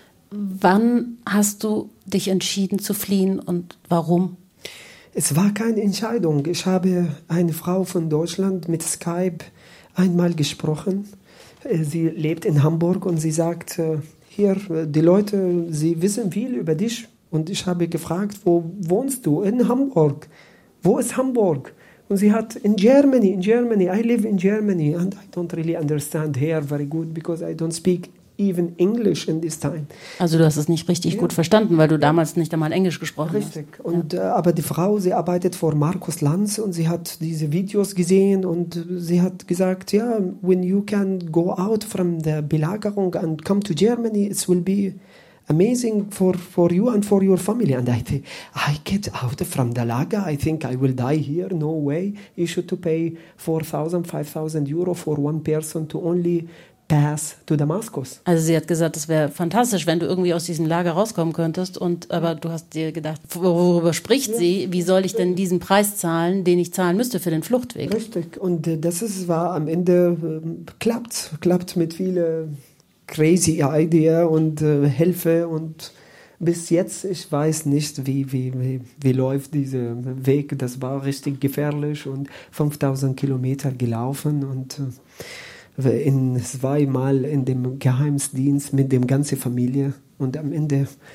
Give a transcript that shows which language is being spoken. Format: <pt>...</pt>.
<de>Wann hast du dich entschieden zu fliehen und warum? Es war keine Entscheidung. Ich habe eine Frau von Deutschland mit Skype einmal gesprochen. Sie lebt in Hamburg und sie sagt, hier, die Leute, sie wissen viel über dich. Und ich habe gefragt, wo wohnst du? In Hamburg. Wo ist Hamburg? Und sie hat,</de> <en>in Germany, I live in Germany and I don't really understand here very good because I don't speak even English in this time.</en> <de>Also du hast es nicht richtig gut verstanden, weil du damals nicht einmal Englisch gesprochen hast. Richtig. Und, aber die Frau, sie arbeitet vor Markus Lanz und sie hat diese Videos gesehen und sie hat gesagt, ja,</de> <en>yeah, when you can go out from the Belagerung and come to Germany, it will be amazing for you and for your family. And I think, I get out from the lager. I think I will die here. No way. You should to pay 4,000, 5,000 euro for one person to only pass to Damascus.</en> <de>Also sie hat gesagt, es wäre fantastisch, wenn du irgendwie aus diesem Lager rauskommen könntest. Und aber du hast dir gedacht, worüber spricht sie? Wie soll ich denn diesen Preis zahlen, den ich zahlen müsste für den Fluchtweg? Richtig. Und das ist, war am Ende klappt. Klappt mit vielen</de> <en>crazy idea</en> <de>und Hilfe und bis jetzt, ich weiß nicht, wie läuft dieser Weg, das war richtig gefährlich und 5000 Kilometer gelaufen und in zweimal in dem Geheimdienst mit der ganzen Familie und am Ende</de>